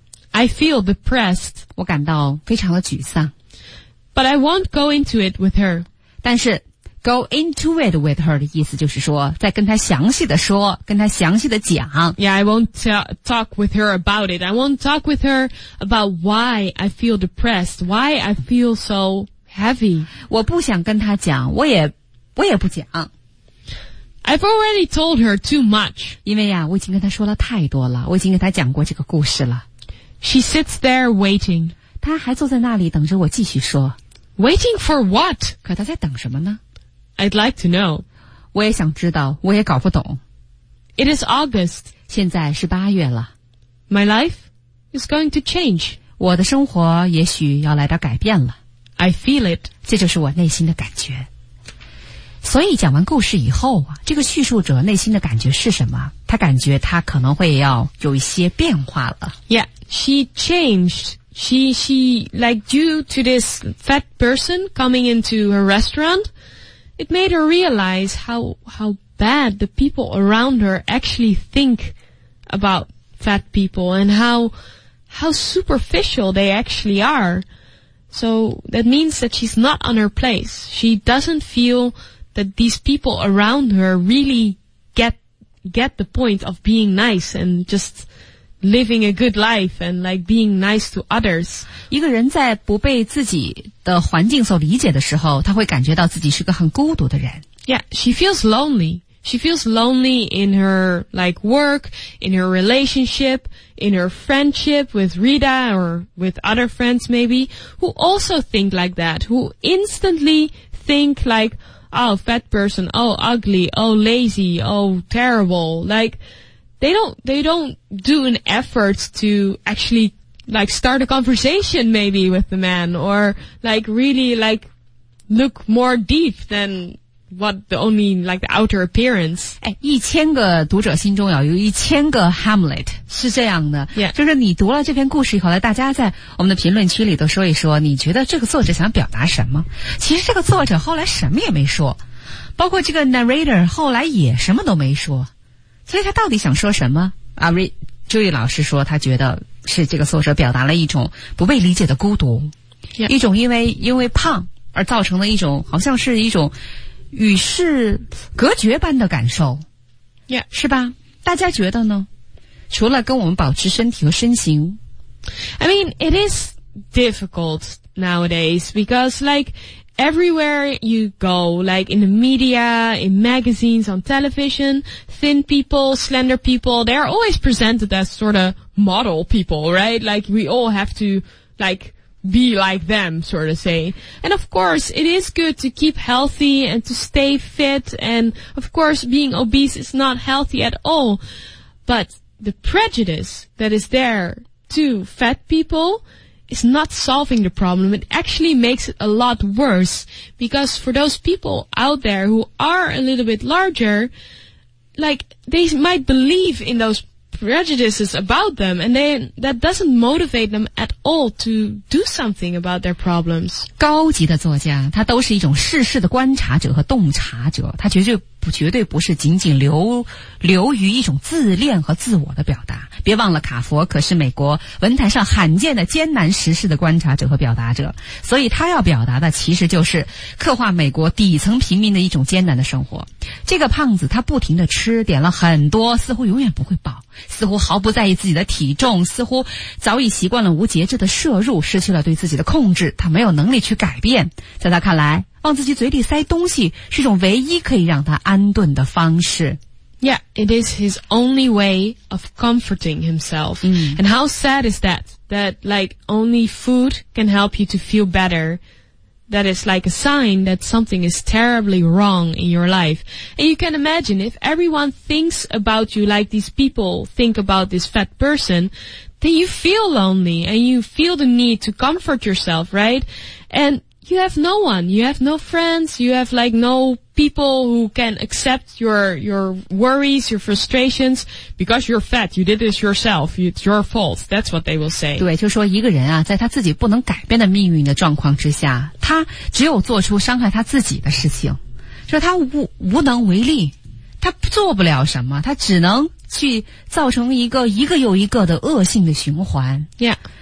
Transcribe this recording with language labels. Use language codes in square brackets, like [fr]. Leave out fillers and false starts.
[en] I feel depressed [zh] 我感到非常的沮丧 [en] But I won't go into it with her [zh] 但是 [en] Go into it with her [zh] 的意思就是说再跟她详细的说跟她详细的讲 [en] Yeah, I won't talk with her about it. I won't talk with her about why I feel depressed, why I feel so heavy. [zh] 我不想跟她讲我也不讲 [en] I've already told her too much. [zh] 因为呀我已经跟她说了太多了我已经跟她讲过这个故事了 [en] She sits there waiting. [zh] 她还坐在那里等着我继续说 [en] Waiting for what? [zh] 可她在等什么呢 [en] I'd like to know. [zh] 我也想知道，我也搞不懂。 [en] It is August. [zh] 现在是八月了。 [en] My life is going to change. [zh] 我的生活也许要来点改变了。 [en] I feel it. [zh] 这就是我内心的感觉。所以讲完故事以后，这个叙述者内心的感觉是什么？他感觉他可能会要有一些变化了。 [en] Yeah, she changed. She like due to this fat person coming into her restaurant,It made her realize how bad the people around her actually think about fat people and how superficial they actually are. So that means that she's not on her place. She doesn't feel that these people around her really get the point of being nice and just... living a good life and like being nice to others. [zh] 一个人在不被自己的环境所理解的时候，他会感觉到自己是个很孤独的人。 [en] Yeah, she feels lonely. She feels lonely in her like work, in her relationship, in her friendship with Rita or with other friends maybe, who also think like that, who instantly think like, oh, fat person, oh, ugly, oh, lazy, oh, terrible, like,They don't do an effort to actually like start a conversation maybe with the man or like really like look more deep than what the only like the outer appearance. [zh] 哎，一千个读者心中要有一千个 Hamlet 是这样的。 [en] Yeah. [zh] 就是你读了这篇故事以后，来大家在我们的评论区里都说一说，你觉得这个作者想表达什么？其实这个作者后来什么也没说。包括这个 narrator 后来也什么都没说，所以他到底想说什么？ Joey 老师说他觉得是这个作者表达了一种不被理解的孤独、 [en] yeah. [zh] 一种因为胖而造成的一种好像是一种与世隔绝般的感受、 [en] yeah. [zh] 是吧？大家觉得呢？除了跟我们保持身体和身形， [en] I mean it is difficult nowadays because like everywhere you go, like in the media, in magazines, on television, thin people, slender people, they are always presented as sort of model people, right? Like we all have to like be like them, sort of say. And of course, it is good to keep healthy and to stay fit. And of course, being obese is not healthy at all. But the prejudice that is there to fat people is not solving the problem. It actually makes it a lot worse, because for those people out there who are a little bit larger, like they might believe in those prejudices about them, and then that doesn't motivate them at all to do something about their problems. [zh] 高级的作家，他都是一种世事的观察者和洞察者，他绝对不是仅仅流于一种自恋和自我的表达。别忘了卡佛可是美国文坛上罕见的艰难时事的观察者和表达者，所以他要表达的其实就是刻画美国底层平民的一种艰难的生活。这个胖子他不停地吃，点了很多，似乎永远不会饱，似乎毫不在意自己的体重，似乎早已习惯了无节制的摄入，失去了对自己的控制，他没有能力去改变。在他看来，往自己嘴里塞东西是一种唯一可以让他安顿的方式。 [en] Yeah, it is his only way of comforting himself.、 Mm. And how sad is that? That like only food can help you to feel better. That is like a sign that something is terribly wrong in your life. And you can imagine if everyone thinks about you like these people think about this fat person, then you feel lonely and you feel the need to comfort yourself, right? And you have no one, you have no friends, you have like no people who can accept your worries, your frustrations, because you're fat, you did this yourself, it's your fault, that's what they will say. [zh] 对，就说一个人啊，在他自己不能改变的命运的状况之下，他只有做出伤害他自己的事情，就是他无能为力，他做不了什么，他只能去造成一个又一个的恶性的循环。 [en] Yeah.